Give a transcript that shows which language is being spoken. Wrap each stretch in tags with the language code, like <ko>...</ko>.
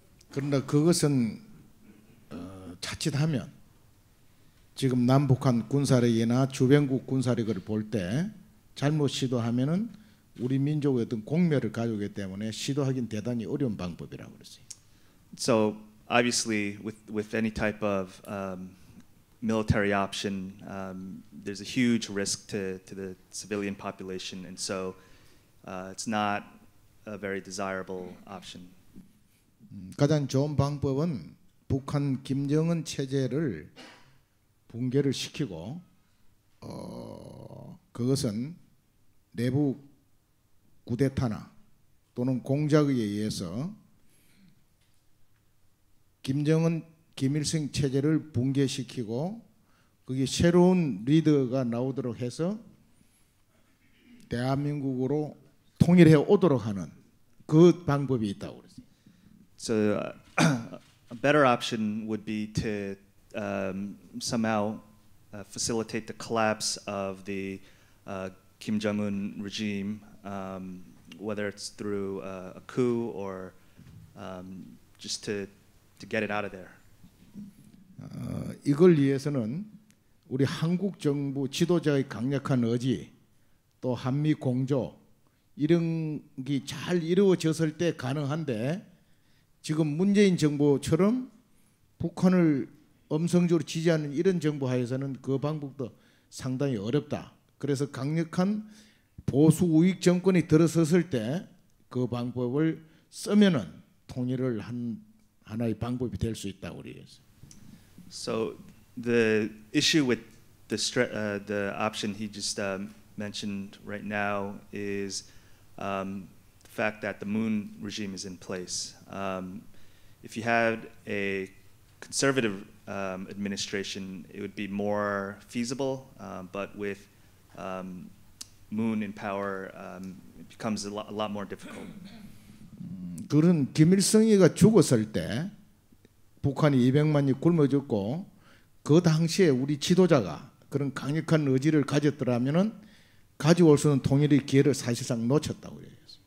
<ko>그런데 그것은 자칫하면 지금 남북한 군사력이나 주변국 군사력을 볼 때 잘못 시도하면은 우리 민족의 어떤 공멸을 가져오기 때문에 시도하기는 대단히 어려운 방법이라고 그랬어요.</ko> <en>So obviously, with any type of military option, there's a huge risk to the civilian population, and so it's not a very desirable option.</en> <ko>가장 좋은 방법은 북한 김정은 체제를 붕괴를 시키고 그것은 내부 구데타나 또는 공작에 의해서 김정은 김일성 체제를 붕괴시키고 거기 새로운 리더가 나오도록 해서 대한민국으로 통일해 오도록 하는 그 방법이 있다고 그랬어요.</ko> <en>So a better option would be to somehow facilitate the collapse of the Kim Jong-un regime, whether it's through a coup or just to get it out of there.</en> <ko>이걸 위해서는 우리 한국 정부 지도자의 강력한 의지 또 한미 공조 이런 게 잘 이루어졌을 때 가능한데 지금 문재인 정부처럼 북한을 음성적으로 지지하는 이런 정부 하에서는 그 방법도 상당히 어렵다. 그래서 강력한 보수 우익 정권이 들어섰을 때 그 방법을 쓰면은 통일을 한 하나의 방법이 될 수 있다고 그래요.</ko> <en>So the issue with the option he just mentioned right now is the fact that the Moon regime is in place. If you had a conservative administration, it would be more feasible, but with Moon in power, it becomes a lot more difficult.</en> <ko>그런 김일성이가 죽었을 때 북한이 200만이 굶어 죽고 그 당시에 우리 지도자가 그런 강력한 의지를 가졌더라면은 가져올 수 있는 통일의 기회를 사실상 놓쳤다고 얘기했어요.</ko>